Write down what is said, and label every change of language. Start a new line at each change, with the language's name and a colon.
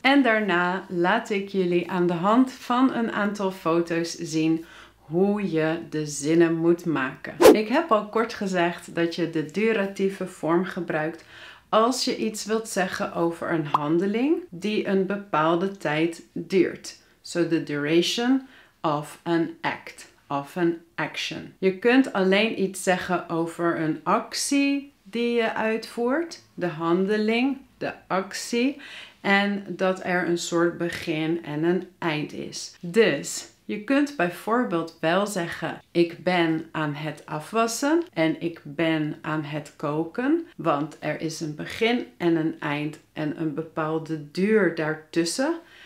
Dutch: En daarna laat ik jullie aan de hand van een aantal foto's zien hoe je de zinnen moet maken. Ik heb al kort gezegd dat je de duratieve vorm gebruikt als je iets wilt zeggen over een handeling die een bepaalde tijd duurt.
English: So the duration of an act, of an action.
Dutch: Je kunt alleen iets zeggen over een actie die je uitvoert, de handeling, de actie, en dat er een soort begin en een eind is. Dus je kunt bijvoorbeeld wel zeggen, ik ben aan het afwassen en ik ben aan het koken, want er is een begin en een eind en een bepaalde duur daartussen.